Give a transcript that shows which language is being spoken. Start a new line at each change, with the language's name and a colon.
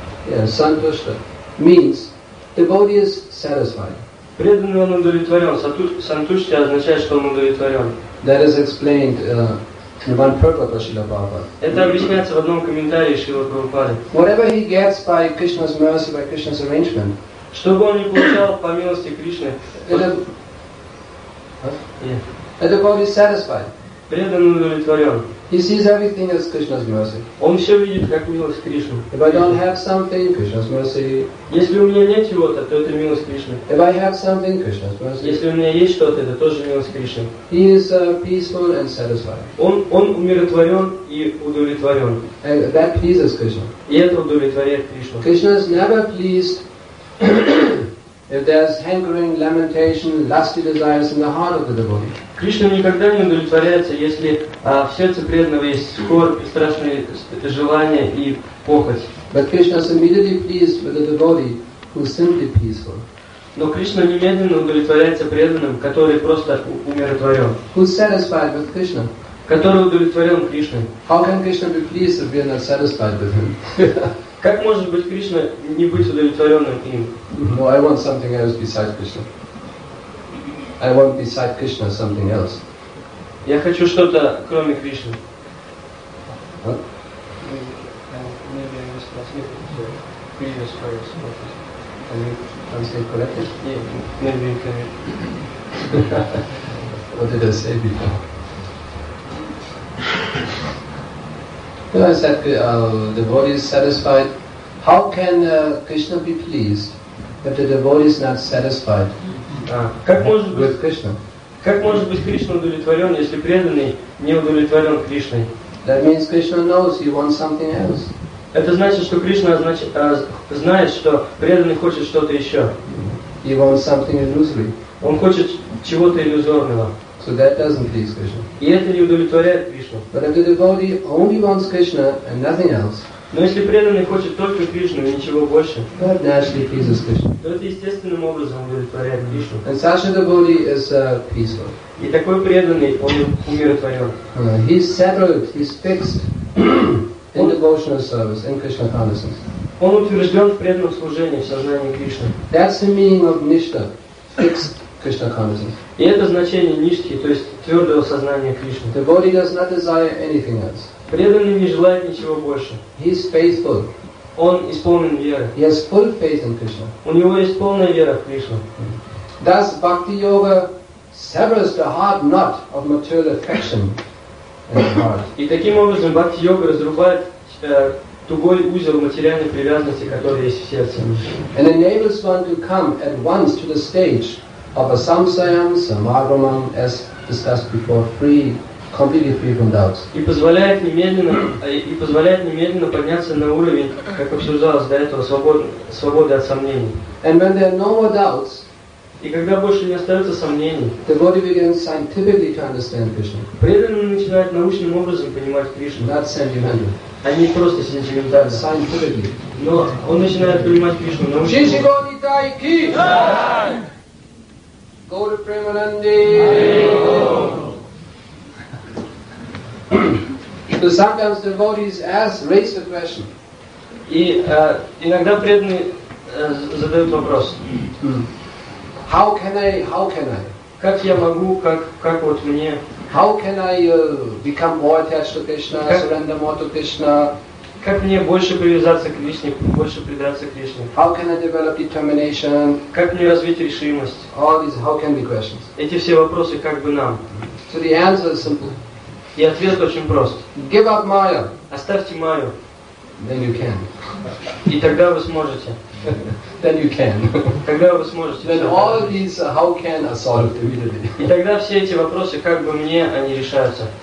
English: Yeah, Santushka means devotee is satisfied.
Russian: Преданный он удовлетворен. Сантушти означает, что он удовлетворен.
English: That is explained in one purpose, Шрила
Russian: Прабхупада. Это объясняется в одном комментарии Шрила Прабхупады.
English: Whatever he gets by Krishna's mercy, by Krishna's arrangement.
Russian: Что бы он ни получал по милости Кришны.
English: The devotee is satisfied.
Russian: Преданный удовлетворен.
English: He sees everything as Krishna's mercy.
Russian: Он все видит как милость Кришны.
English: If I don't have something, Krishna's mercy.
Russian: Если у меня нет чего-то, то это милость Кришны.
English: If I have something, Krishna's mercy.
Russian: Если у меня есть что-то, это тоже милость Кришны.
English: He is peaceful and satisfied.
Russian: Он умиротворен и удовлетворен.
English: And that pleases Krishna.
Russian: И это удовлетворяет Кришну.
English: Krishna is never pleased if there's hankering, lamentation, lusty desires in the heart of the devotee.
Russian: Кришна никогда не удовлетворяется, если в сердце преданного есть скорбь, страшные желания и похоть.
English: But Krishna is immediately pleased with the devotee who is simply peaceful.
Russian: Но Кришна немедленно удовлетворяется преданным, который просто умиротворен.
English: Who is satisfied with Krishna?
Russian: Который удовлетворен Кришной.
English: How can Krishna be pleased if we are not satisfied with him?
Russian: Как может быть Кришна не быть удовлетворенным им?
English: No, I want something else besides Krishna. I want beside Krishna something else.
Russian: Я хочу что-то кроме Кришны.
English: What? Maybe I misunderstood the previous words. Can you translate correctly? Yeah, maybe you can. What did I say before? No, I said the body is satisfied. How can Krishna be pleased if the devotee is not satisfied?
Russian: Как может быть Кришна удовлетворен, если преданный не удовлетворен Кришной?
English: That means Krishna knows he wants something else.
Russian: Это значит, что Кришна знает, что преданный хочет что-то еще.
English: He wants something illusory.
Russian: Он хочет чего-то иллюзорного.
English: So that doesn't please Krishna.
Russian: И это не удовлетворяет Кришну.
English: But if the devotee only wants Krishna and nothing else.
Russian: Но если преданный хочет только Кришну и ничего больше, то это естественным образом удовлетворяет Кришну.
English: And such a devotee is peaceful.
Russian: И такой преданный, он умиротворен.
English: He's settled, he's fixed in devotional service, in Krishna consciousness.
Russian: Он утвержден в преданном служении, в сознании Кришны.
English: That's the meaning of Nishtha, fixed Krishna consciousness.
Russian: И это значение Ништхи, то есть твердого сознания Кришны.
English: The body does not desire anything else.
Russian: Преданный не желает ничего больше.
English: He is faithful.
Russian: Он исполнен веры.
English: He has full faith in Krishna.
Russian: У него есть полная вера в Кришну.
English: Thus, bhakti yoga severs the hard knot of material affection in the heart.
Russian: И таким образом бхакти йога разрубает тугой узел материальной привязанности, который есть в сердце.
English: And enables one to come at once to the stage of a samsayam, samagraman, as discussed before, free. Completely free from doubts.
Russian: И позволяет немедленно подняться на уровень, как обсуждалось до этого, свободы от сомнений.
English: And when there are no more doubts,
Russian: и когда больше не остается сомнений,
English: the body begins scientifically to understand Krishna.
Russian: Преданный начинает научным образом понимать Кришну.
English: Not sentimental.
Russian: А не просто сентиментально.
English: Scientifically.
Russian: Но он начинает понимать Кришну научным образом. Шишигони тайки.
English: Go to Premanande. So sometimes devotees ask, raise the question.
Russian: И иногда преданные задают вопрос.
English: How can I?
Russian: Как я могу, как вот мне?
English: How can I become more attached to Krishna, surrender more to Krishna?
Russian: Как мне больше привязаться к Кришне, больше предаться Кришне?
English: How can I develop determination?
Russian: Как мне развить решимость?
English: All these how can be questions.
Russian: Эти все вопросы как бы нам.
English: So the answer is simple.
Russian: И ответ очень прост.
English: Give up Maya.
Russian: Оставьте Майю.
English: Then you can.
Russian: И тогда вы сможете.
English: then you can.
Russian: Когда вы сможете.
English: Then all of these how can are solved immediately.
Russian: И тогда все эти вопросы как бы мне они решаются.